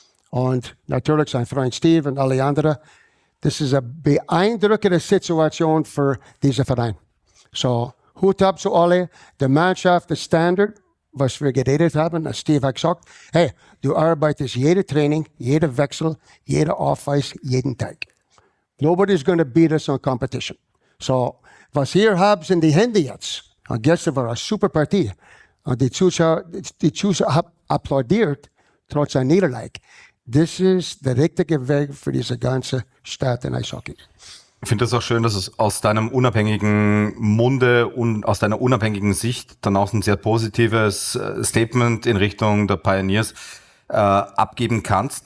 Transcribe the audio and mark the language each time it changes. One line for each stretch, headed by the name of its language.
German: Und natürlich sein Freund Steve und alle anderen. Das ist eine beeindruckende Situation für diesen Verein. So, Hut ab zu alle, der Mannschaft, der Standard, was wir geredet haben, als Steve hat gesagt, hey, du arbeitest jede Training, jede Wechsel, jede Office, jeden Tag.
English: Nobody's going to beat us on competition.
German: So, was hier habt in die Hände jetzt, und gestern war eine super Partie, und die Zuschauer applaudiert, trotz einer Niederlage. Das ist der richtige Weg für diese ganze Stadt in Eishockey. Ich finde das auch schön, dass es aus deinem unabhängigen Munde und aus deiner unabhängigen Sicht dann auch ein sehr positives Statement in Richtung der Pioneers abgeben kannst.